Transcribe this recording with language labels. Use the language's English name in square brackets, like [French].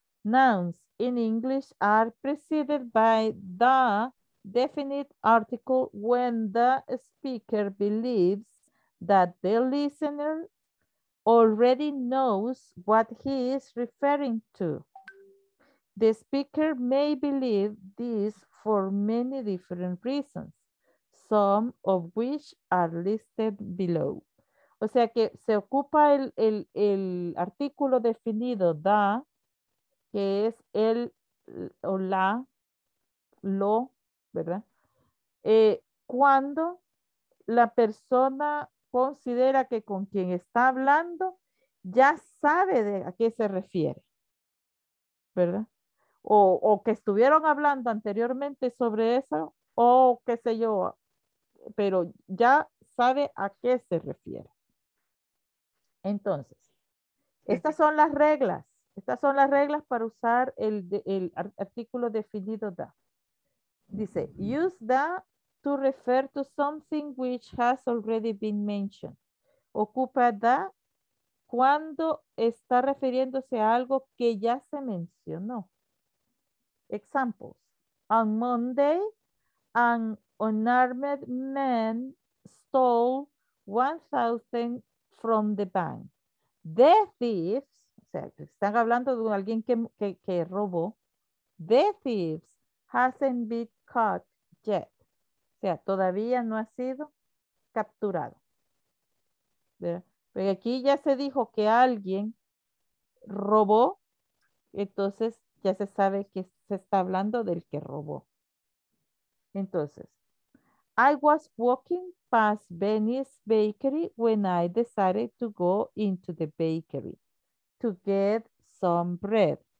[English] Nouns in English are preceded by the definite article when the speaker believes that the listener already knows what he is referring to. The speaker may believe this for many different reasons, some of which are listed below. [Spanish] O sea que se ocupa el artículo definido da, que es el o la, lo, ¿verdad? Cuando la persona considera que con quien está hablando ya sabe de a qué se refiere, ¿verdad? O que estuvieron hablando anteriormente sobre eso, o qué sé yo, pero ya sabe a qué se refiere. Entonces, estas son las reglas. Estas son las reglas para usar el artículo definido da. Dice, [English] use da to refer to something which has already been mentioned. [Spanish] Ocupa da cuando está refiriéndose a algo que ya se mencionó. [English] Examples: on Monday, an unarmed man stole 1,000 from the bank. The thieves, [Spanish] o sea, están hablando de alguien que robó. [English] The thieves hasn't been caught yet. [Spanish] O sea, todavía no ha sido capturado. ¿Verdad? Pero aquí ya se dijo que alguien robó, entonces ya se sabe que se está hablando del que robó. Entonces, [English] I was walking past Benny's Bakery when I decided to go into the bakery to get some bread.